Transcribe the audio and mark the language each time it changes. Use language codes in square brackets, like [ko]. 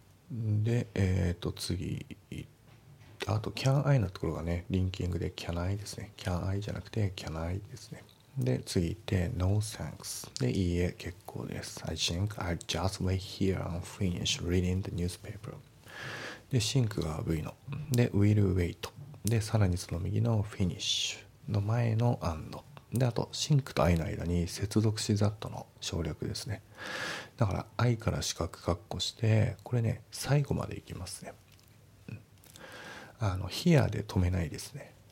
[ja] で、次、あと、can I のところがね、リンキングで can I ですね。 can I じゃなくて can I ですね。で、次行って、 [en] no thanks。 [ja] で、いいえ、結構です。 [en] I think I'll just wait here and finish reading the newspaper。 [ja] で、think が V の。で、 [en] will wait。 [ja] で、さらにその右の finish の前の and。で、あと、think と I の間に接続詞 that の省略ですね。だから I から四角括弧してこれね最後までいきますね、うん、here で止めないですね。